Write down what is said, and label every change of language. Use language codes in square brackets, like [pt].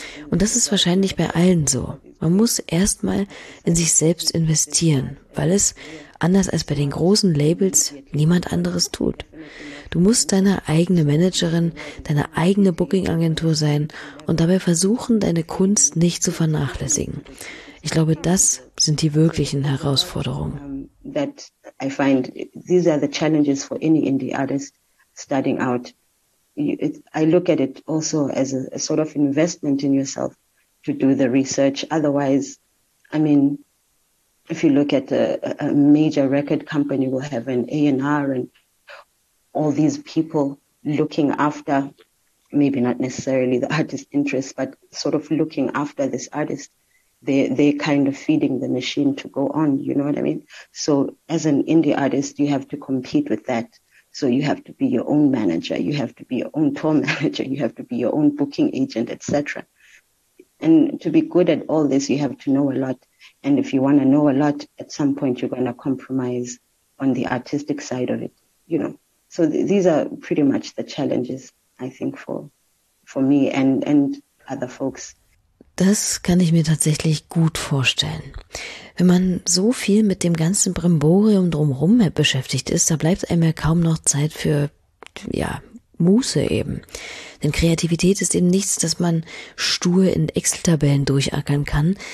[de] Und das ist wahrscheinlich bei allen so. Man muss erstmal in sich selbst investieren, weil es, anders als bei den großen Labels, niemand anderes tut. Du musst deine eigene Managerin, deine eigene Booking-Agentur sein und dabei versuchen, deine Kunst nicht zu vernachlässigen. Ich glaube, das sind die wirklichen Herausforderungen. [en] That I find, these are the challenges for any indie artist starting out. I look at it also as a sort of investment in yourself to do the research. Otherwise, I mean, if you look at a major record company, will have an A&R and all these people looking after, maybe not necessarily the artist's interest, but sort of looking after this artist. They're kind of feeding the machine to go on, you know what I mean? So as an indie artist, you have to compete with that. So you have to be your own manager, you have to be your own tour manager, you have to be your own booking agent, etc. And to be good at all this, you have to know a lot. And if you want to know a lot, at some point you're going to compromise on the artistic side of it, you know. So these are pretty much the challenges, I think, for me and other folks. [de] Das kann ich mir tatsächlich gut vorstellen. Wenn man so viel mit dem ganzen Brimborium drumherum beschäftigt ist, da bleibt einem ja kaum noch Zeit für, ja, Muße eben. Denn Kreativität ist eben nichts, das man stur in Excel-Tabellen durchackern kann.